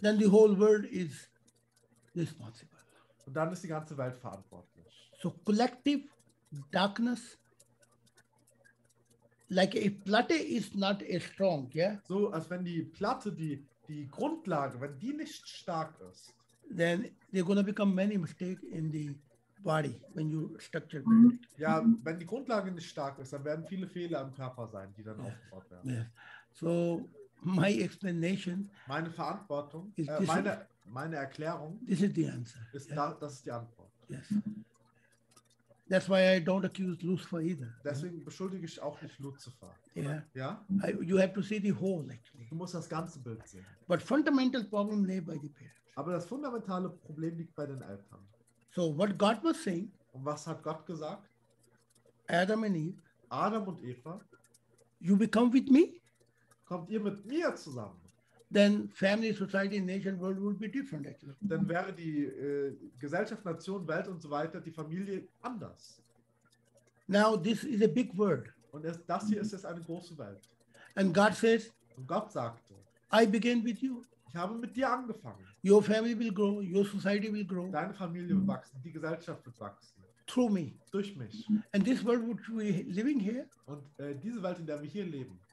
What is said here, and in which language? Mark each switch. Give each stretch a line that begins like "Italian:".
English: Then the whole world is responsible.
German: Und dann ist die ganze Welt verantwortlich.
English: So collective darkness. Like a Platte is not a strong, yeah?
German: So als wenn die Platte, die Grundlage, wenn die nicht stark ist.
English: Then they're gonna become many mistakes in the body when you structure.
German: Ja, wenn die Grundlage nicht stark ist, dann werden viele Fehler im Körper sein, die dann aufgebaut werden.
English: Yeah. So my explanation.
German: Meine Verantwortung, meine Erklärung.
English: This is the answer.
German: Ist yeah. Das ist die Antwort.
English: Yes. That's why I don't accuse Lucifer either.
German: Deswegen beschuldige ich auch nicht Lucifer.
English: Yeah. Ja. You have to see the whole actually.
German: Du musst das ganze Bild sehen.
English: But fundamental problem lay by the parents.
German: Aber das fundamentale Problem liegt bei den Eltern.
English: So what God was saying?
German: Und was hat Gott gesagt?
English: Adam and Eve.
German: Adam und Eva.
English: You become with me.
German: Kommt ihr mit mir zusammen?
English: Then family, society, nation, world would be different actually.
German: Dann wäre die Gesellschaft, Nation, Welt und so weiter, die Familie anders.
English: Now this is a big word.
German: Und das hier ist jetzt eine große Welt.
English: And God says,
German: und Gott sagte,
English: I began with you.
German: Ich habe mit dir angefangen.
English: Your family will grow, your society will grow.
German: Deine Familie wird wachsen, die Gesellschaft wird wachsen.
English: Through me.
German: Durch mich.
English: And this world which we living here,
German: und diese Welt, in der wir hier leben,